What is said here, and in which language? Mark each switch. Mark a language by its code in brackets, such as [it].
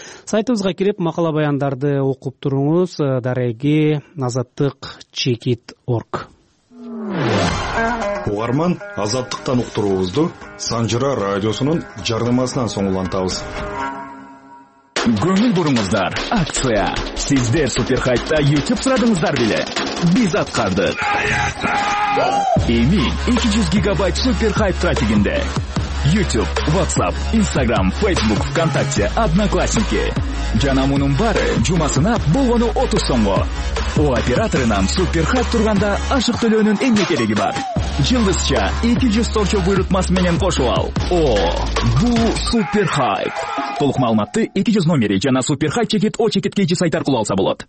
[ky] Сайтыбызга кирип макала баяндарды окуп туруңуз. Дареги Азаттык чекит орг. Угарман Азаттыктан уктуруубузду Санжар радиосунун жардамасынан соңулантабыз. [kk] көңіл бұрыңыздар. Акция. Сіздер Суперхайтта YouTube сұрадыңыздар біле. Біз атқардық. Эми 200 гигабайт Суперхайт трафигінде. YouTube, WhatsApp, Instagram, Facebook, ВКонтакте, Одноклассники. [ky] Жана мунун бары жумасына болгону 30 сомго. У операторынан Суперхайт турганда ашык төлөөнүн эмне кереги бар? Жылдызча 200 торчо буйрутмасы менен кошуп ал. Оо, бул Суперхайт. Толук маалыматты 200 номери жана Суперхайт чекит о чекит кечи сайт аркылуу алса болот.